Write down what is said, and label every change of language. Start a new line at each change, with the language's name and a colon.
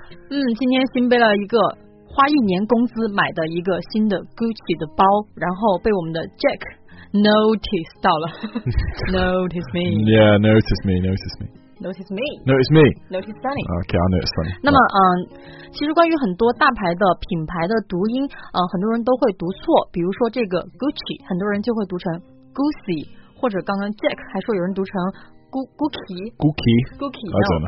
Chinese: 今天新背了一个花一年工资买的一个新的 Gucci 的包，然后被我们的 Jack...
English: Notice
Chinese: 到了
English: Notice me. Yeah, notice me. Notice Sunny. Okay, I'll notice Sunny.
Chinese: 那么、其实关于很多大牌的品牌的读音、很多人都会读错，比如说这个 Gucci 很多人就会读成 Gucci， 或者刚刚 Jack 还说有人读成 Gucci.
English: No,